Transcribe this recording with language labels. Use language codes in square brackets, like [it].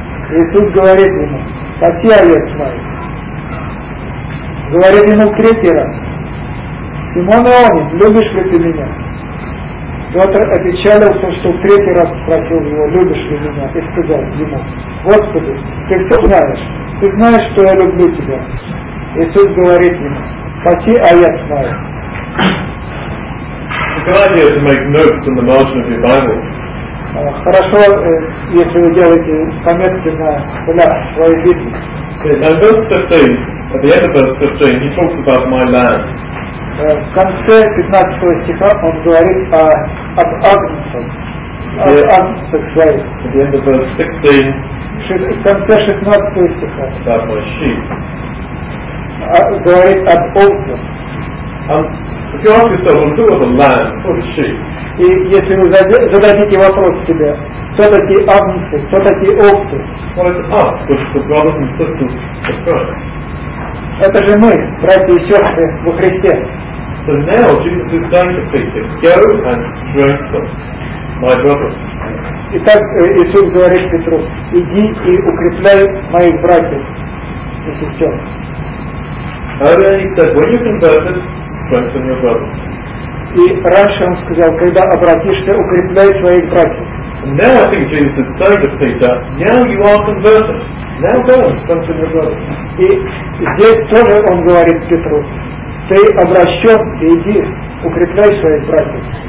[ru] Иисус говорит ему: паси овец моих. Говорит ему в третий раз: Симон, Ионе, любишь ли ты меня? Петр опечалился, что в третий раз спросил его: любишь ли меня? И сказал ему: Господи, ты все знаешь. Ты знаешь, что я люблю тебя. Иисус говорит ему: паси овец моих. [en] Good idea to make notes in the margin of your Bibles. [ru] Хорошо, если вы делаете пометки на полях своей Библии. [en] Now verse 15, at the end of verse 15, he talks about my land. [ru] В конце 15 стиха он говорит об агнцах, об агнцах своих. [en] At the end of verse 16, [ru] в конце 16 стиха, [en] about my sheep, [ru] говорит об овцах. [en] If you ask yourself, well, who are the lambs, what are sheep? [ru] И если вы зададите вопрос себе, кто такие агнцы, кто такие овцы? [en] Well, it's us, the brothers and sisters of Christ. [ru] Это же мы, братья и сестры во Христе. [en] So now Jesus is saying to Peter, go and strengthen my brothers. [ru] Итак, Иисус говорит Петру: иди и укрепляй моих братьев и сестер. [en] Earlier he said, when you're converted, strengthen your brothers. [ru] И раньше он сказал, когда обратишься, укрепляй своих братьев. [en] And now I think Jesus is saying to Peter, now you are converted. Now go and strengthen your brothers. [ru] И здесь тоже он говорит Петру: ты обращен, иди, укрепляй своих братьев.